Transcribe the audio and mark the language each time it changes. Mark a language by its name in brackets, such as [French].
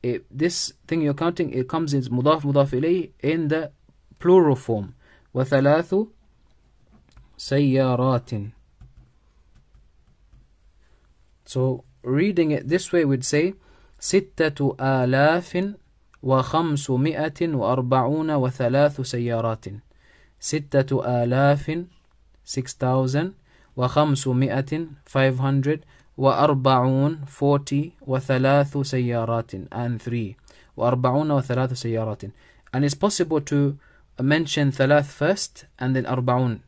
[English] This thing you're counting, it comes in مضاف مضاف إليه in the plural form. [Arabic] وثلاث سيارات. [English] So reading it this way, we'd say ستة آلاف وخمسمائة وأربعون وثلاث سيارات. [Arabic] ستة آلاف 6,000 وخمسمائة 500 وأربعون 40 وثلاث سيارات and 3 وأربعون وثلاث سيارات. [English] And it's possible to mention thalath first and then arbaun.